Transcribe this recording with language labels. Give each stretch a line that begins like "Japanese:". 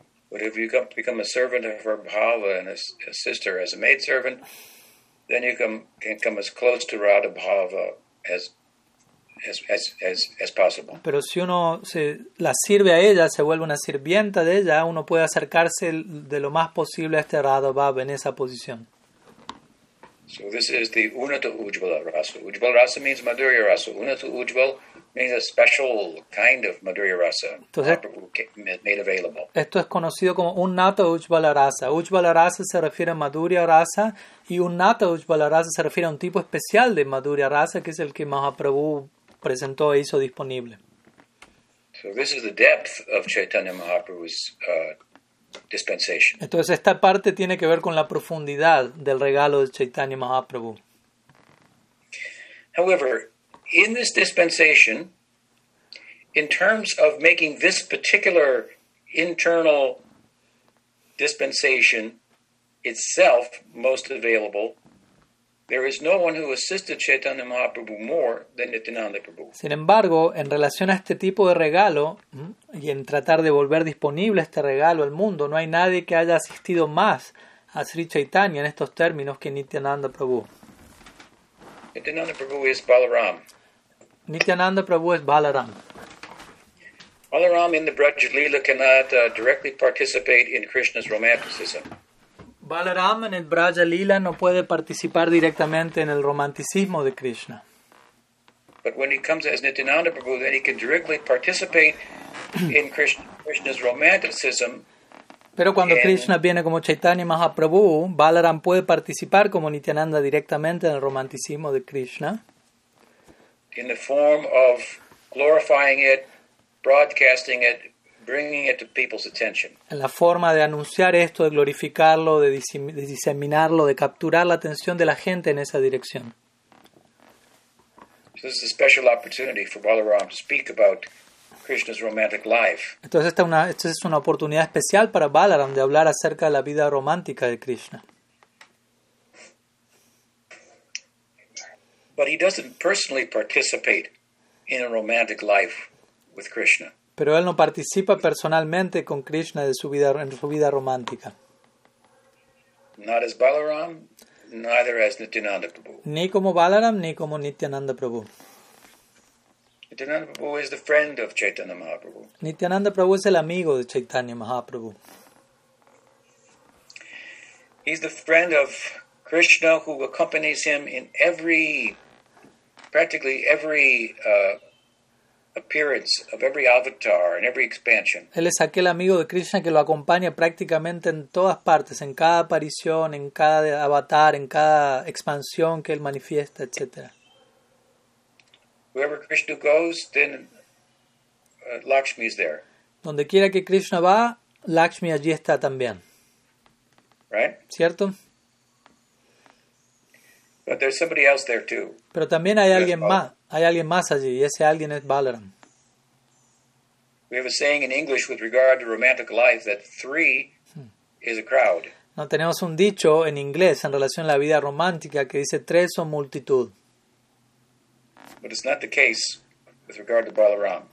English: But if you become a servant of her bhava and a sister as a maid servant, then you can come as close to Radha bhava as possible.
Spanish: Pero si uno se la sirve a ella, se vuelve una sirvienta de ella, uno puede acercarse de lo más posible a este Radha Bhava en esa posición.
English: So this is the Unato Ujjvala Rasa. Ujjvala Rasa means Madhurya Rasa. Unato Ujjvala means a special kind of Madhurya Rasa.
Spanish: Entonces,
English: made available.
Spanish: Esto es conocido como Unato Ujjvala Rasa. Ujjvala Rasa se refiere a Madhurya Rasa y Unato Ujjvala Rasa se refiere a un tipo especial de Madhurya Rasa que es el que Mahaprabhu presentó e hizo disponible.
English: So this is the depth of Chaitanya Mahaprabhu's dispensation.
Spanish: Entonces esta parte tiene que ver con la profundidad del regalo de Chaitanya Mahaprabhu.
English: However, in this dispensation, in terms of making this particular internal dispensation itself most available, there is no one who assisted Chaitanya Mahaprabhu more than Nityananda Prabhu.
Spanish: Sin embargo, en relación a este tipo de regalo, y en tratar de volver disponible este regalo al mundo, no hay nadie que haya asistido más a Sri Chaitanya en estos términos que Nityananda Prabhu.
English: Nityananda Prabhu is Balaram. Nityananda Prabhu is Balaram. Balaram in the Braj Lila cannot directly participate in Krishna's romanticism.
Spanish: Balaram en el Braj Lila no puede participar directamente en el romanticismo de Krishna.
English: But when he comes as Nityananda Prabhu, then he can directly participate in Krishna's romanticism.
Spanish: Pero cuando Krishna viene como Chaitanya Mahaprabhu, Balaram puede participar como Nityananda directamente en el romanticismo de Krishna.
English: In the form of glorifying it, broadcasting it, bringing it to people's attention.
Spanish: En la forma de anunciar esto, de glorificarlo, de diseminarlo, de capturar la atención de la gente en esa dirección.
English: This is a special opportunity for Balaram to speak about Krishna's romantic life.
Spanish: Entonces esta es una oportunidad especial para Balaram de hablar acerca de la vida romántica de Krishna.
English: But he doesn't personally participate in a romantic life with Krishna.
Spanish: Pero él no participa personalmente con Krishna en su vida romántica.
English: Not as Balaram, neither as Nityananda Prabhu.
Spanish: Ni como Balaram ni como Nityananda Prabhu.
English: Nityananda Prabhu is the friend of Chaitanya Mahaprabhu.
Spanish: Nityananda Prabhu es el amigo de Chaitanya Mahaprabhu.
English: He's the friend of Krishna who accompanies him in practically every appearance of every avatar and every expansion.
Spanish: Él es aquel amigo de Krishna que lo acompaña prácticamente en todas partes, en cada aparición, en cada avatar, en cada expansión que él manifiesta, etc.
English: Wherever Krishna goes, then Lakshmi is there.
Spanish: Donde quiera que Krishna va, Lakshmi allí está también.
English: Right?
Spanish: ¿Cierto?
English: But there's somebody else there too.
Spanish: Pero también hay alguien más. Hay alguien más allí, y ese alguien es Balaram.
English: We have a saying in English with regard to romantic life that three is a crowd.
Spanish: No, tenemos un dicho en inglés en relación a la vida romántica que dice tres son multitud.
English: But it's not the case with regard to Balaram.